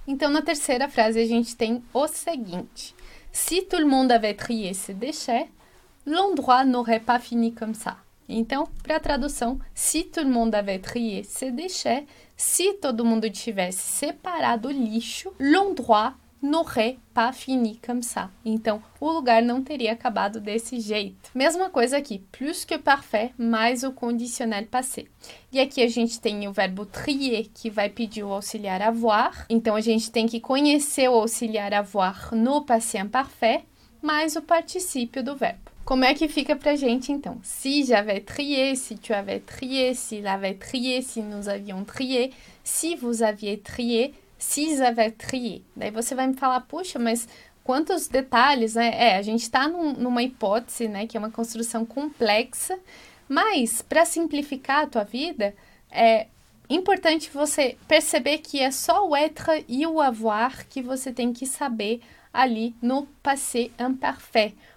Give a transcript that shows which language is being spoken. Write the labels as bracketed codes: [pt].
[pt] Então na terceira frase a gente tem o seguinte: [fr] si tout le monde avait trié ses déchets, l'endroit n'aurait pas fini comme ça. [pt] Então, para a tradução, [fr] si tout le monde avait trié ses déchets, [pt] se todo mundo tivesse separado o lixo, [fr] l'endroit n'aurait pas fini comme ça. [pt] Então, o lugar não teria acabado desse jeito. Mesma coisa aqui, plus que parfait, mais o conditionnel passé. E aqui a gente tem o verbo trier, que vai pedir o auxiliar avoir. Então, a gente tem que conhecer o auxiliar avoir no passé imparfait, mais o particípio do verbo. Como é que fica para a gente, então? [fr] Si j'avais trié, si tu avais trié, s'il avait trié, si nous avions trié, si vous aviez trié, s'ils avaient trié. [pt] Daí você vai me falar, puxa, mas Quantos detalhes, né? É, a gente está numa hipótese, né, que é uma construção complexa, mas para simplificar a tua vida, é importante você perceber que é só o être e o avoir que você tem que saber ali no passé imparfait.